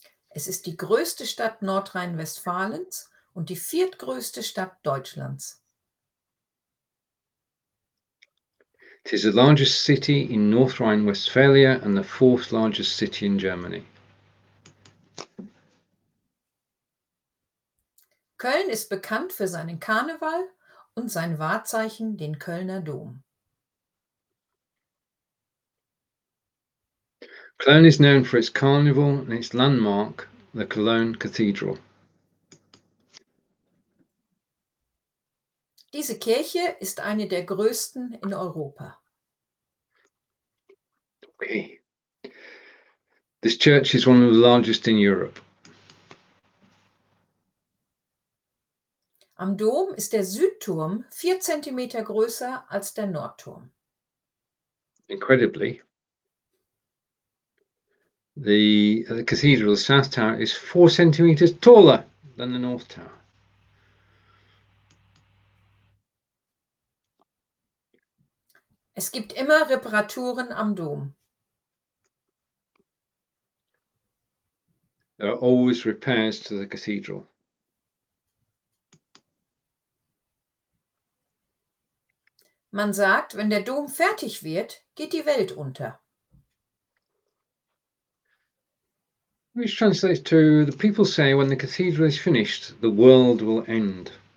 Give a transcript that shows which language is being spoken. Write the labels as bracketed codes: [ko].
[de] Es ist die größte Stadt Nordrhein-Westfalens und die viertgrößte Stadt Deutschlands. [en] It is the largest city in North Rhine-Westphalia and the fourth largest city in Germany. [de] Köln ist bekannt für seinen Karneval und sein Wahrzeichen, den Kölner Dom. [en] Cologne is known for its carnival and its landmark, the Cologne Cathedral. [de] Diese Kirche ist eine der größten in Europa. [en] Okay. This church is one of the largest in Europe. [de] Am Dom ist der Südturm 4 cm größer als der Nordturm. [en] Incredibly. The cathedral, the south tower, is 4 cm taller than the north tower. [de] Es gibt immer Reparaturen am Dom. [en] There are always repairs to the cathedral. [de] Man sagt, wenn der Dom fertig wird, geht die Welt unter. [en] Which translates to, the people say when the cathedral is finished, the world will end.